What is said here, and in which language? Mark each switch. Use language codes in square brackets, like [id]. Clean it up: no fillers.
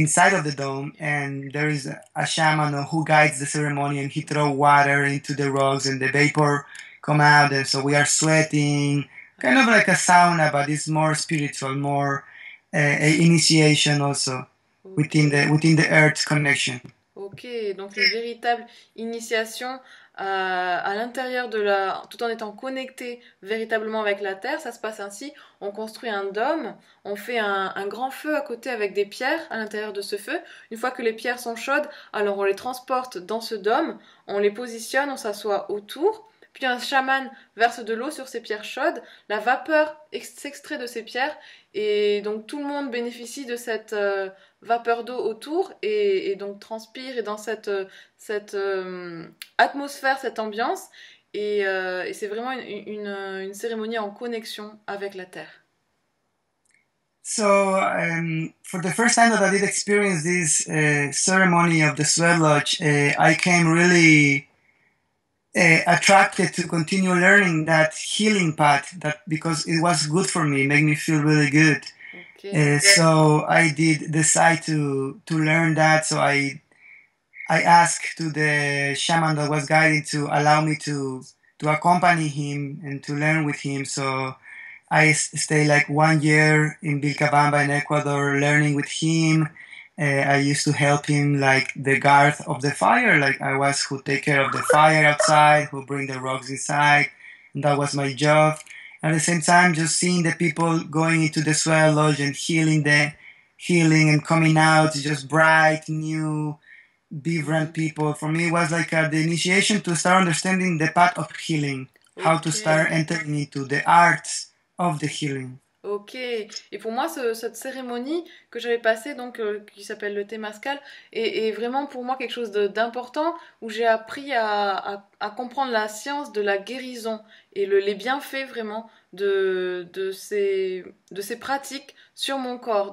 [en] inside of the dome, and there is a shaman who guides the ceremony, and he throw water into the rocks, and the vapor come out, and so we are sweating, kind of like a sauna, but it's more spiritual, more initiation also within the earth connection. [fr] Ok, donc une véritable initiation à l'intérieur de la, tout en étant connecté véritablement avec la terre, ça se passe ainsi. On construit un dôme, on fait un grand feu à côté avec des pierres à l'intérieur de ce feu. Une fois que les pierres sont chaudes, alors on les transporte dans ce dôme, on les positionne, on s'assoit autour. Puis un chaman verse de l'eau sur ces pierres chaudes, la vapeur s'extrait de ces pierres et donc tout le monde bénéficie de cette vapeur d'eau autour et donc transpire et dans cette atmosphère, cette ambiance et c'est vraiment une cérémonie en connexion avec la terre. [en] So, for the first time that I did experience this ceremony of the sweat lodge, I came really attracted to continue learning that healing path, that because it was good for me, made me feel really good. Okay. So I did decide to learn that. So I asked to the shaman that was guiding to allow me to accompany him and to learn with him. So I stayed like 1 year in Vilcabamba in Ecuador learning with him. I used to help him like the guard of the fire, like I was who take care of the fire outside, who bring the rocks inside, and that was my job. At the same time, just seeing the people going into the sweat lodge and healing and coming out, just bright, new, vibrant people. For me, it was like the initiation to start understanding the path of healing, how to start entering into the arts of the healing. [fr] Ok, et pour moi, cette cérémonie que j'avais passée, donc qui s'appelle le Temazcal, est vraiment pour moi quelque chose d'important où j'ai appris à comprendre la science de la guérison et les bienfaits vraiment de ces pratiques sur mon corps.